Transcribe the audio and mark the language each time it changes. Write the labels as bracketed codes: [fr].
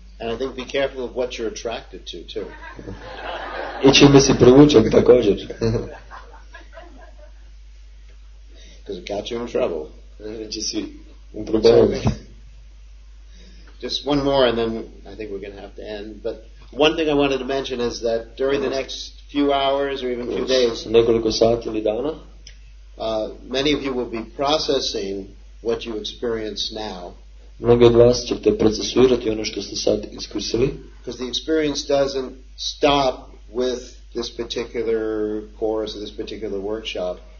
[en] And I think be careful of what you're attracted to, too. [sr] И чиме си привучен također. [en] Because it got you in trouble. [sr] Че си у проблеми. [en] Just one more and then I think we're going to have to end. But one thing I wanted to mention is that during the next few hours or even few days, [sr] неколико сати или дана, [en] Many of you will be processing what you experience now. [mk] Многу од вас ќе процесирате оно што сте сад искусили. [en] Because the experience doesn't stop with this particular course or this particular workshop.